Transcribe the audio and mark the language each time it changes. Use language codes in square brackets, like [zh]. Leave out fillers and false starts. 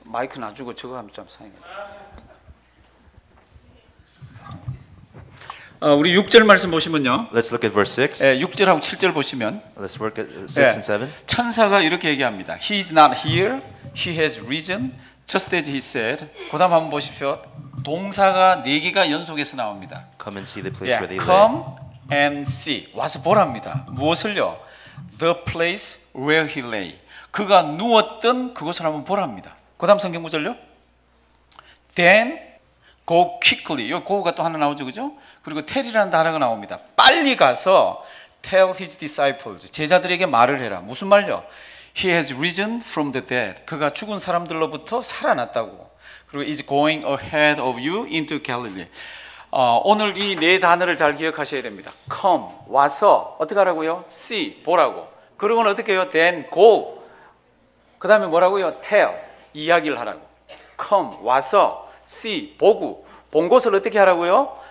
[ko] 마이크 놔주고 저거 한번 좀 사용해. 우리 6절 말씀 보시면요. [en] Let's look at verse 6. [ko] 예, 6절하고 7절 보시면 [en] Let's work at 6 예, and 7. [ko] 천사가 이렇게 얘기합니다. [en] He is not here. He has risen just as he said. [ko] 그다음 한번 보십시오. 동사가 네 개가 연속해서 나옵니다. [en] Come and see the place [ko] 예, [en] where they live. Come lay. and see. [ko] 와서 보랍니다. 무엇을요? [en] The place where he lay. [ko] 그가 누웠던 그곳을 한번 보랍니다. 그다음 성경 구절요? [en] Then go quickly. [ko] 요 go가 또 하나 나오죠. 그죠? 그리고 tell이라는 단어가 나옵니다. 빨리 가서 [en] tell his disciples, [ko] 제자들에게 말을 해라. 무슨 말이요? [en] He has risen from the dead. [ko] 그가 죽은 사람들로부터 살아났다고. [en] 그리고 is going ahead of you into Galilee. [ko] 오늘 이 네 단어를 잘 기억하셔야 됩니다. Come, 와서, 어떻게 하라고요? See, 보라고. 그러면 어떻게 해요? [en] Then go. [ko] 그 다음에 뭐라고요? Tell, 이야기를 하라고. Come, 와서, see, 보고. 본 곳을 어떻게 하라고요?